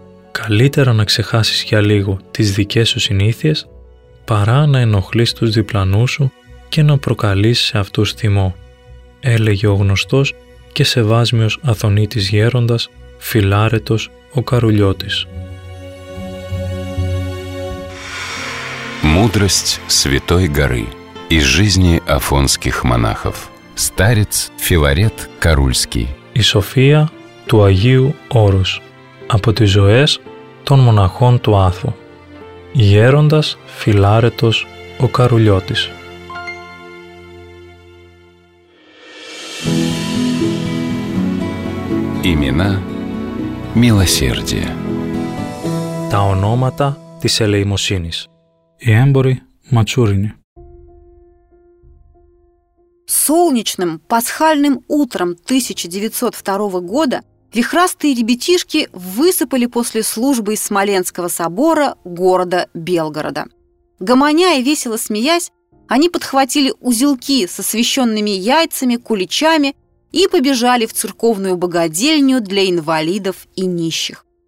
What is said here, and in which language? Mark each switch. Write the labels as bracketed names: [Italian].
[Greek] Καλύτερα να ξεχάσεις για λίγο τις δικές σου συνήθειες, παρά να ενοχλείς τους διπλανούς σου και να προκαλείς σε αυτούς θυμό, έλεγε ο γνωστός και σεβάσμιος αθωνίτης γέροντας Φιλάρετος ο Καρουλιώτης. [Russian] Мудрость Святой Горы из жизни афонских монахов. Старец Филарет Карульский. [Greek] Η Σοφία του Αγίου Όρους. Από τις ζωές των μοναχών του Άθου. Γέροντας Φιλάρετος ο Καρουλιώτης. [Russian] Имена милосердия. [Greek] Τα ονόματα της ελεημοσύνης. Οι έμποροι ματσούρινοι. [Russian] Солнечным пасхальным утром 1902 года вихрастые ребятишки высыпали после службы из Смоленского собора города Белгорода. Гомоня и весело смеясь, они подхватили узелки со освященными яйцами, куличами и побежали в церковную богадельню для инвалидов и нищих.